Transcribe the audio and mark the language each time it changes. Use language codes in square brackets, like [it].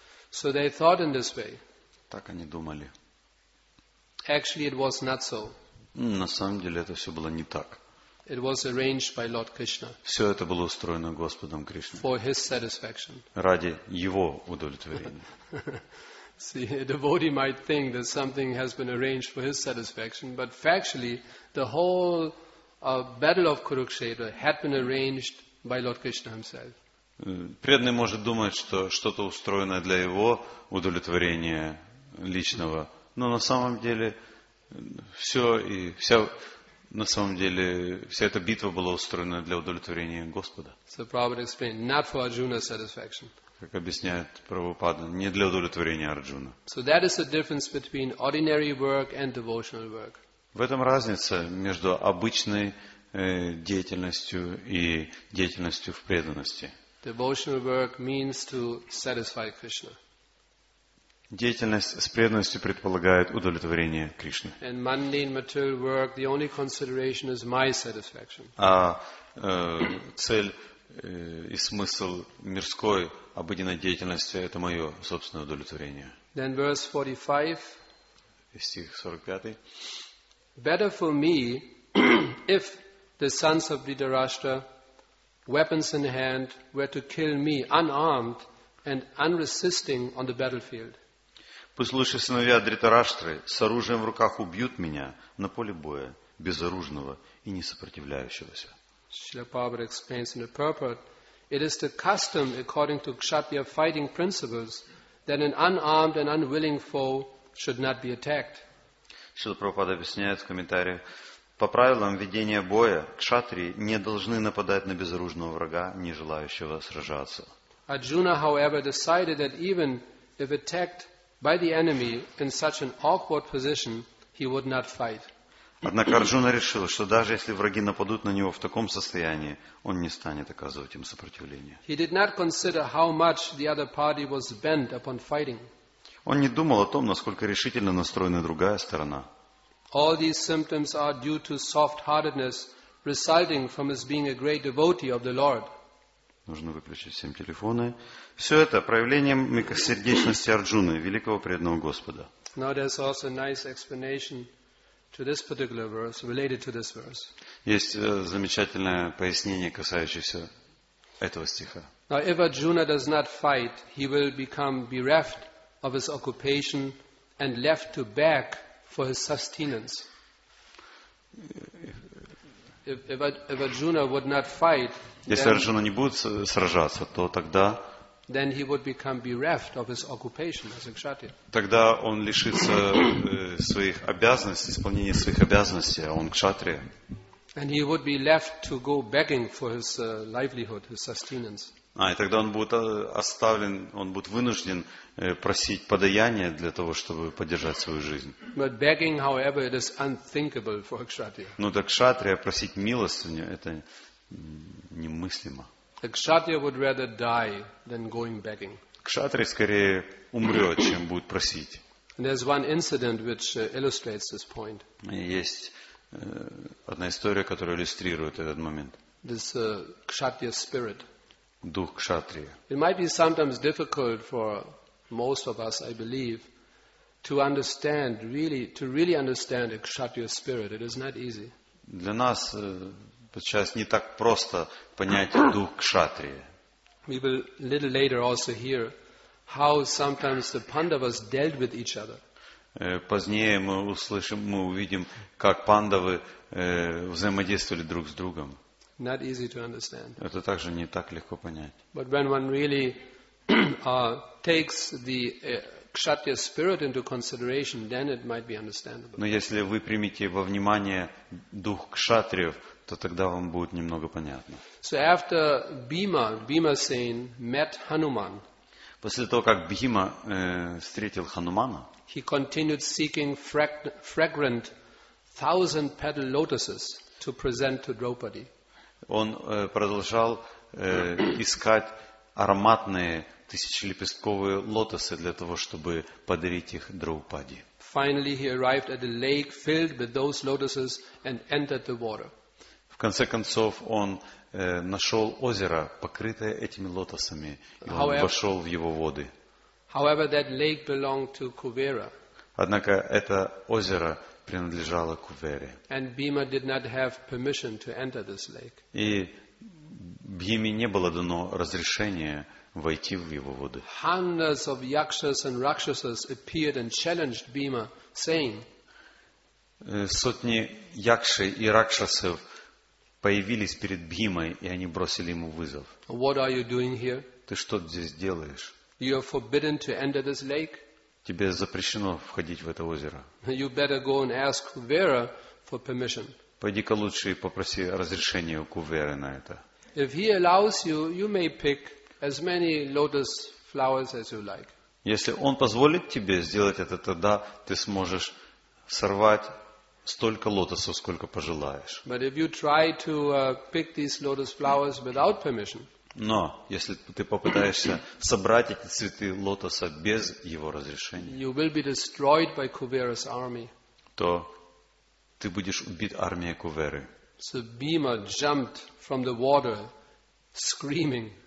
[en] So they thought in this way. [ru] Так они думали. [en] Actually, it was not so. [ru] На самом деле это все было не так. [en] It was arranged by Lord Krishna. [ru] Все это было устроено Господом Кришной. [en] For his satisfaction. [ru] Ради его удовлетворения. [en] See, a devotee might think that something has been arranged for his satisfaction, but factually, the whole battle of Kurukshetra had been arranged by Lord Krishna himself. [ru] Преданный может думать, что что-то устроено для его удовлетворения личного, но на самом деле все и вся на самом деле вся эта битва была устроена для удовлетворения Господа. [en] So Prabhupada explained, not for Arjuna's satisfaction. [ru] Как объясняет Прабхупада, не для удовлетворения Арджуна. [en] So that is the difference between ordinary work and devotional work. [ru] В этом разница между обычной деятельностью и деятельностью в преданности. [en] Devotional work means to satisfy Krishna. [ru] Деятельность с преданностью предполагает удовлетворение Кришны. [en] And mundane material work, the only consideration is my satisfaction. [ru] А цель и смысл мирской обыденной деятельности это мое собственное удовлетворение. [en] Then verse 45. [ru] Стих 45. [en] Better for me if the sons of Dhritarashtra, weapons in hand, were to kill me unarmed and unresisting on the battlefield. [ru] Пусть лучше сыновья Дритараштры с оружием в руках убьют меня на поле боя, безоружного и не сопротивляющегося. [en] Srila Prabhupada explains in the purport, it is the custom according to Kshatriya fighting principles that an unarmed and unwilling foe should not be attacked. [ru] Srila Prabhupada объясняет в комментариях, по правилам ведения боя, кшатрии не должны нападать на безоружного врага, не желающего сражаться. [en] Arjuna, however, decided that even if attacked by the enemy in such an awkward position, he would not fight. [ru] Однако Арджуна решил, что даже если враги нападут на него в таком состоянии, он не станет оказывать им сопротивление. [en] He did not consider how much the other party was bent upon fighting. [ru] Он не думал о том, насколько решительно настроена другая сторона. [en] All these symptoms are due to soft-heartedness resulting from his being a great devotee of the Lord. [ru] Нужно выключить все телефоны. Все это проявление мягкосердечности Арджуны, великого преданного Господа. [en] Now there's also a nice explanation to this particular verse, related to this verse. [ru] Есть замечательное пояснение, касающееся этого стиха. [en] Now if Arjuna does not fight, he will become bereft of his occupation and left to beg for his sustenance. If Arjuna would not fight, [ru] если Арджуна не будет сражаться, то тогда [en] then he would become bereft of his occupation as a kshatriya. [ru] Тогда он лишится своих обязанностей, исполнения своих обязанностей, а он кшатрия. [en] And he would be left to go begging for his livelihood, his sustenance. [ru] А и тогда он будет оставлен, он будет вынужден просить подаяние для того, чтобы поддержать свою жизнь. [en] But begging, however, it is unthinkable for a kshatriya. [ru] Ну, так кшатрия просить милостыню это немыслимо. [en] A kshatriya would rather die than going begging. [ru] Кшатрия скорее умрет, чем будет просить. [en] There's one incident which illustrates this point. [ru] Есть одна история, которая иллюстрирует этот момент. [en] This kshatriya spirit. [ru] Дух кшатрия. [en] It might be sometimes difficult for most of us, I believe, to understand really, to really understand a kshatriya spirit. It is not easy. [ru] Для нас сейчас не так просто понять дух кшатрия. [en] We will a little later also hear how sometimes the Pandavas dealt with each other. [ru] Позднее мы услышим, мы увидим, как пандавы взаимодействовали друг с другом. [en] Not easy to understand. [ru] Это также не так легко понять. [en] But when one really takes the kshatriya spirit into consideration, then it might be understandable. [ru] Но если вы примете во внимание дух кшатриев, то тогда вам будет немного понятно. [en] So after Bhima Sen met Hanuman. [ru] После того как Бхима встретил Ханумана, [en] he continued seeking fragrant thousand-petal lotuses to present to Draupadi. [ru] Он продолжал искать ароматные тысячелепестковые лотосы для того, чтобы подарить их Драупаде. [en] Finally, he arrived at a lake filled with those lotuses and entered the water. [ru] В конце концов, он нашел озеро, покрытое этими лотосами, и он вошел в его воды. [en] However, that lake belonged to Kuvera. [ru] Однако это озеро принадлежало Кувере. [en] And Bhima did not have permission to enter this lake. [ru] И Бхиме не было дано разрешения войти в его воды. [en] Hundreds of yakshas and rakshasas appeared and challenged Bhima, saying. [ru] Сотни якши и ракшасов появились перед Бхимой, и они бросили ему вызов. [en] What are you doing here? [ru] Ты что здесь делаешь? [en] You are forbidden to enter this lake. [ru] Тебе запрещено входить в это озеро. [en] You better go and ask Kuvera for permission. [ru] Пойди-ка лучше и попроси разрешения у Куверы на это. [en] If he allows you, you may pick as many lotus flowers as you like. [ru] Если он позволит тебе сделать это, тогда ты сможешь сорвать столько лотосов, сколько пожелаешь. [en] But if you try to pick these lotus flowers without permission. [ru] Но если ты попытаешься собрать эти цветы лотоса без его разрешения, [en] you will be destroyed by Kuvera's army. [ru] То ты будешь убит армией Куверы. [en] So Bhima jumped from the water, screaming.